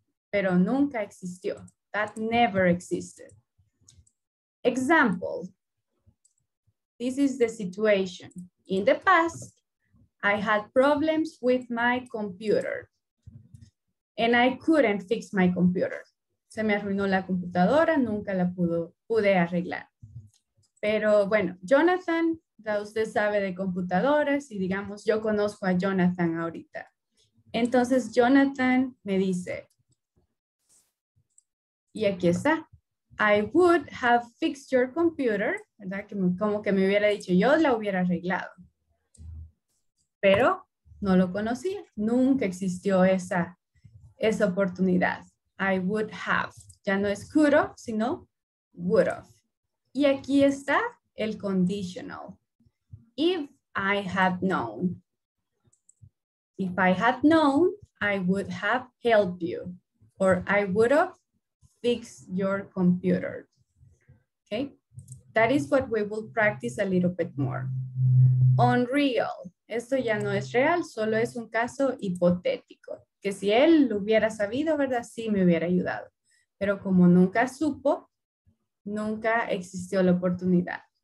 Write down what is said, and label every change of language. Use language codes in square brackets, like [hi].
[es] Pero nunca existió. [en] That never existed. Example. This is the situation. In the past, I had problems with my computer and I couldn't fix my computer. [es] Se me arruinó la computadora, nunca la pude arreglar. Pero bueno, Jonathan, ya usted sabe de computadoras y digamos, yo conozco a Jonathan ahorita. Entonces Jonathan me dice, y aquí está, [en] I would have fixed your computer, [es] ¿verdad? Que como que me hubiera dicho, yo la hubiera arreglado. Pero no lo conocía. Nunca existió esa oportunidad. I would have. Ya no es could have, sino would have. Y aquí está el conditional. [en] If I had known. If I had known, I would have helped you. Or I would have fixed your computer. Okay? That is what we will practice a little bit more. Unreal. [es] Esto ya no es real, solo es un caso hipotético. Que si él lo hubiera sabido, ¿verdad? Sí me hubiera ayudado. Pero como nunca supo, nunca existió la oportunidad.